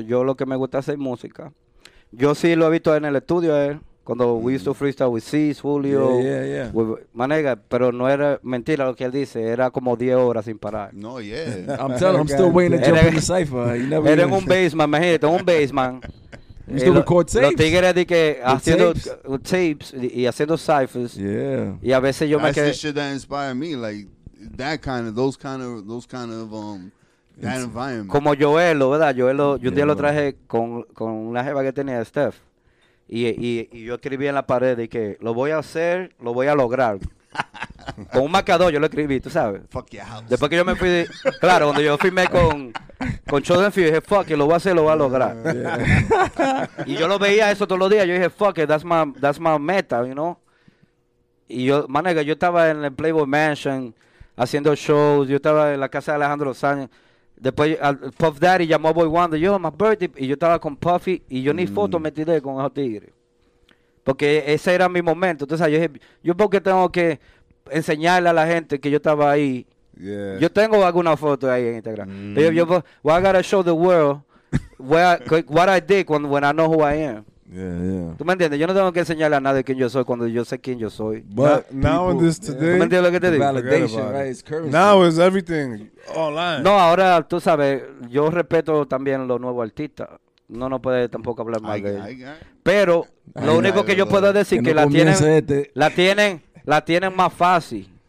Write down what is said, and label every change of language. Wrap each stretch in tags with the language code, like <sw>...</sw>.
<es>Yo lo que me gusta es hacer música. Yo sí lo he visto en el estudio cuando</es> <en>we used to freestyle with C's,</en> <es>Julio.</es> <en>Yeah.</en> <es>Manega, pero no era mentira lo que él dice. Era como 10 horas sin parar. No, yeah.</es> <en>I'm telling you, I'm still waiting to jump in the cypher.</en> <es>Era en un basement, imagínate, un basement.</es> <en>You still record tapes?</en> <es>Los tigres de que haciendo tapes y haciendo ciphers.</es> <en>Yeah.</en> <es>Y a veces yo</es> <en>that's</en> <es>me quedé.</es> <en>That's the shit that inspired me. Like, that kind of, those kind of, that it's environment.</en> <es>Como Joelo, ¿verdad? Joelo, yo un día lo traje con una jeva que tenía Steph. Y yo escribí en la pared de que lo voy a hacer, lo voy a lograr. con un marcador yo lo escribí, tú sabes.</es> <en>Fuck your house.</en> <es>Después que yo me fui, claro, cuando yo firmé con Chosen Few, dije, fuck it, lo voy a hacer, lo voy a lograr. Yeah. Y yo lo veía eso todos los días, yo dije, fuck it,</es> <en>that's my meta, you know.</en> <es>Y yo, manega, yo estaba en el Playboy Mansion haciendo shows, yo estaba en la casa de Alejandro Sánchez. Después Puff Daddy llamó a Boy Wonder, yo, my birthday, y yo estaba con Puffy, y yo ni foto me tiré con esos tigres. Porque ese era mi momento. Entonces yo dije, yo porque tengo que enseñarle a la gente que yo estaba ahí.</es> <en>Yeah.</en> <es>Yo tengo alguna foto ahí en Instagram. Mm.</es> <en>Yo, well, I gotta show the world what I did when I know who I am. Yeah.</en> <es>¿Tú me entiendes? Yo no tengo que enseñarle a nadie quién yo soy cuando yo sé quién yo soy.</es> <en>But now in this today,</en> <es>¿tú me entiendes lo que te digo?</es> <en>Validation, right? It's currency. Now is everything online.</en> <es>No, ahora tú sabes, yo respeto también los nuevos artistas. No nos puede tampoco hablar mal de ellos. Pero lo único que yo puedo decir es que la tienen más fácil.</es>